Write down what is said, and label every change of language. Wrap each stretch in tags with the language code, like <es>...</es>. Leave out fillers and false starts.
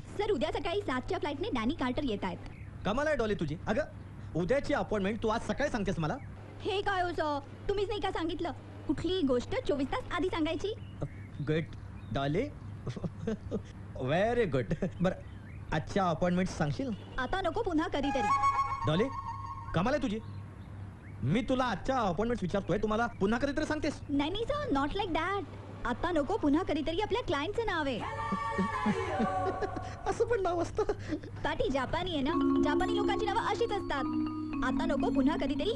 <mr>Sir उद्या सकाळी 7 flight ने डॅनी कार्टर येत आहेत. कमाल आहे डॉली तुझी. अगं उद्याची अपॉइंटमेंट तू आज सकाळी सांगतेस मला? हे काय होतं, तुम्हीच नाही का सांगितलं कुठली गोष्ट 24 तास आधी सांगायची?</mr> <en>Good Dolly, very good.</en> <mr>बर अच्छा अपॉइंटमेंट सांगशील? आता नको पुन्हा कधी तरी. डॉली कमाल आहे तुझी, मी तुला आजच्या अपॉइंटमेंट विचारतोय, तुम्हाला पुन्हा कधीतरी सांगतेस. नाही नाही सर,</mr> <en>Not like that.</en> <mr>आता नको पुन्हा कधीतरी. आपल्या क्लायंटचं नाव आहे. असं पण नाव असतं? पाटी जापानी आहे ना, जापानी लोकांची नावं अशीच असतात. आता नको पुन्हा कधीतरी.</mr>